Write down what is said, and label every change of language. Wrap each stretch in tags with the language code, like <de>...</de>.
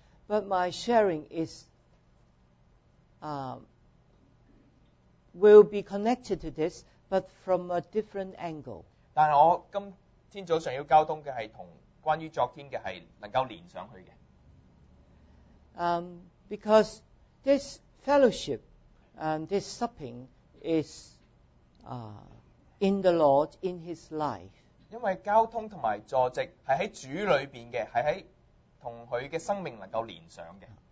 <en>But my sharing is will be connected to this, but from a different angle.</en> <yue>但我今天早上要交通嘅係同關於昨天嘅係能夠連上去嘅。</yue> <en>Because this fellowship and this supping is in the Lord, in His life.</en> <yue>因為交通同埋坐席係喺主裏面嘅，係喺同佢嘅生命能夠連上嘅。</yue>